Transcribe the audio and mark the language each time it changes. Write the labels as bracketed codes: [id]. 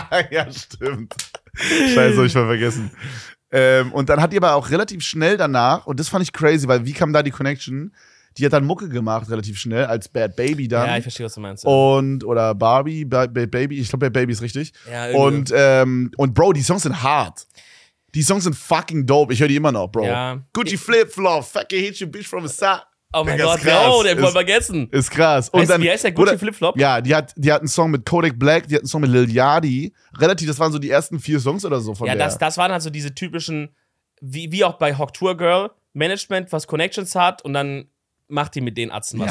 [de] Ja, stimmt. Scheiße, hab ich mal vergessen. Und dann hat die aber auch relativ schnell danach, und das fand ich crazy, weil wie kam da die Connection? Die hat dann Mucke gemacht, relativ schnell, als Bad Baby dann. Ja, ich verstehe, was du meinst. Und, oder Barbie, Bad Baby, ich glaube, Bad Baby ist richtig. Ja, irgendwie. Und Bro, die Songs sind hart. Die Songs sind [en] fucking dope, [de] ich höre die immer noch, Bro. Ja. [en] Gucci Flip Flop, fuck you, hit you, bitch from the side. [de] Oh mein Gott, krass. Den wollen wir vergessen. Ist krass. Und heißt, dann, wie heißt der Gucci Flip Flop? Ja, die hat einen Song mit Kodak Black, die hat einen Song mit Lil Yachty. Relativ, das waren so die ersten vier Songs oder so von ja, der. Ja, das waren halt so diese typischen, wie auch bei Hawk Tour Girl, Management, was Connections hat und dann macht die mit den Atzen was.